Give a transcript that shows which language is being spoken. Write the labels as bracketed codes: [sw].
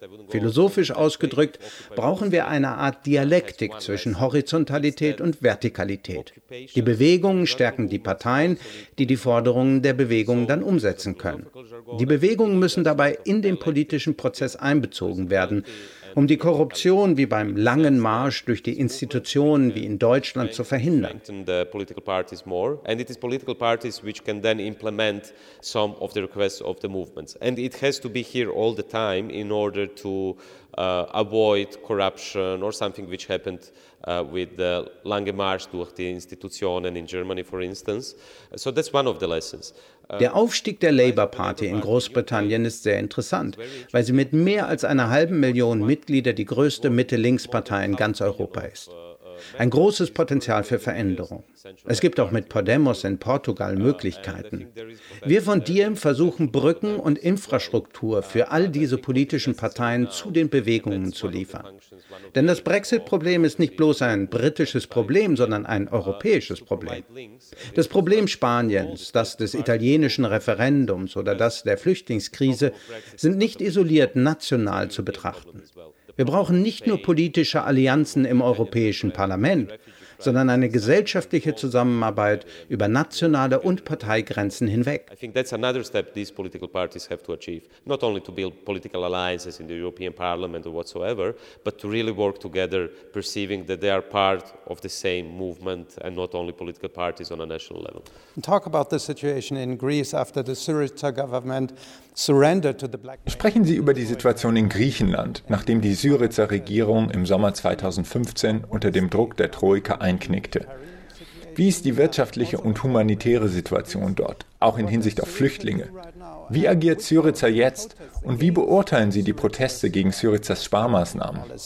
[de] Philosophisch ausgedrückt, brauchen wir eine Art Dialektik zwischen Horizontalität und Vertikalität. Die Bewegungen stärken die Parteien, die die Forderungen der Bewegungen dann umsetzen können. Die Bewegungen müssen dabei in den politischen Prozess einbezogen werden, um die Korruption wie beim langen Marsch durch die Institutionen wie in Deutschland zu verhindern. [en] The political parties more, and it is political parties which can then implement some of the requests of the movements. And it has to be here all the time in order to avoid corruption or something which happened with the [de] lange Marsch durch die Institutionen [en] in Germany, for instance. So that's one of the lessons. [de] Der Aufstieg der Labour Party in Großbritannien ist sehr interessant, weil sie mit mehr als einer halben Million Mitglieder die größte Mitte-Links-Partei in ganz Europa ist. Ein großes Potenzial für Veränderung. Es gibt auch mit Podemos in Portugal Möglichkeiten. Wir von Diem versuchen, Brücken und Infrastruktur für all diese politischen Parteien zu den Bewegungen zu liefern. Denn das Brexit-Problem ist nicht bloß ein britisches Problem, sondern ein europäisches Problem. Das Problem Spaniens, das des italienischen Referendums oder das der Flüchtlingskrise sind nicht isoliert national zu betrachten. Wir brauchen nicht nur politische Allianzen im Europäischen Parlament, sondern eine gesellschaftliche Zusammenarbeit über nationale und Parteigrenzen hinweg. [en] I think that's another step these political parties have to achieve, not only to build political alliances in the European Parliament or whatsoever, but to really work together, perceiving that they are part of the same movement and not only political parties on a national level. Talk about the situation in Greece after the Syriza government surrendered to the Black. [de] Sprechen Sie über die Situation in Griechenland, nachdem die Syriza-Regierung im Sommer 2015 unter dem Druck der Troika einknickte. Wie ist die wirtschaftliche und humanitäre Situation dort, auch in Hinsicht auf Flüchtlinge? Wie agiert Syriza jetzt und wie beurteilen Sie die Proteste gegen Syrizas Sparmaßnahmen?